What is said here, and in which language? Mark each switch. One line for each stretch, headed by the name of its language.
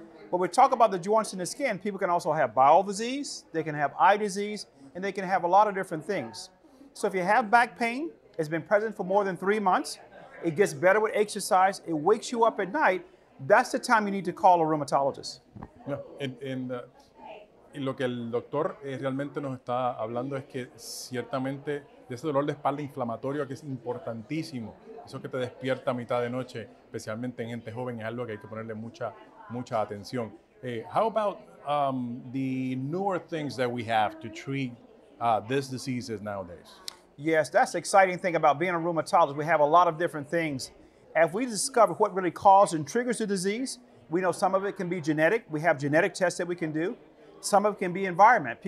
English: But we talk about the joints in the skin, people can also have bowel disease, they can have eye disease, and they can have a lot of different things. So if you have back pain, it's been present for more than 3 months, it gets better with exercise, it wakes you up at night, that's the time you need to call a rheumatologist.
Spanish: Yeah, lo que el doctor realmente nos está hablando es que ciertamente de ese dolor de espalda inflamatorio que es importantísimo, eso que te despierta a mitad de noche, especialmente en gente joven, es algo que hay que ponerle mucha atención.
English: How about the newer things that we have to treat these diseases nowadays? Yes, that's the exciting thing about being a rheumatologist. We have a lot of different things. If we discover what really causes and triggers the disease, we know some of it can be genetic. We have genetic tests that we can do. Some of it can be environment.